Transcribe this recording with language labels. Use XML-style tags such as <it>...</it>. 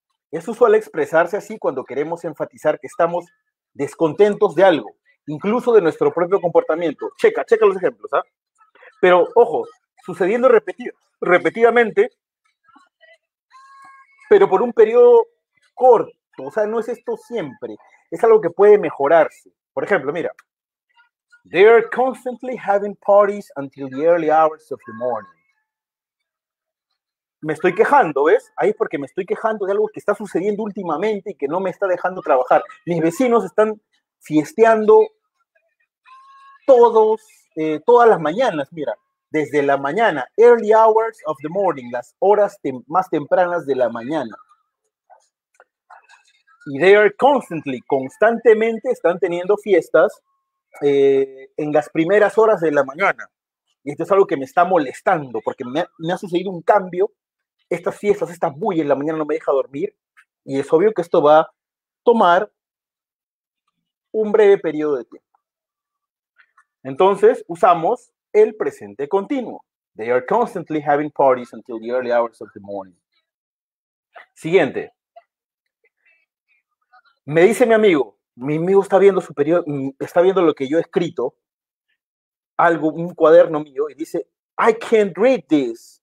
<es>Es usual expresarse así cuando queremos enfatizar que estamos descontentos de algo, incluso de nuestro propio comportamiento. Checa los ejemplos, ¿ah? Pero, ojo, sucediendo repetidamente, pero por un periodo corto, o sea, no es esto siempre, es algo que puede mejorarse. Por ejemplo, mira,</es> <en>they are constantly having parties until the early hours of the morning.</en> <es>Me estoy quejando, ¿ves? Ahí es porque me estoy quejando de algo que está sucediendo últimamente y que no me está dejando trabajar. Mis vecinos están fiesteando todas las mañanas, mira, desde la mañana,</es> <en>early hours of the morning,</en> <es>las horas más tempranas de la mañana. Y they are constantemente están teniendo fiestas en las primeras horas de la mañana. Y esto es algo que me está molestando porque me ha sucedido un cambio. Estas fiestas, esta bulla en la mañana no me deja dormir. Y es obvio que esto va a tomar un breve periodo de tiempo. Entonces, usamos el presente continuo.</es> <en>They are constantly having parties until the early hours of the morning.</en> <es>Siguiente. Me dice mi amigo está viendo su periodo, está viendo lo que yo he escrito, algo, un cuaderno mío, y dice,</es> <en>I can't read this.</en>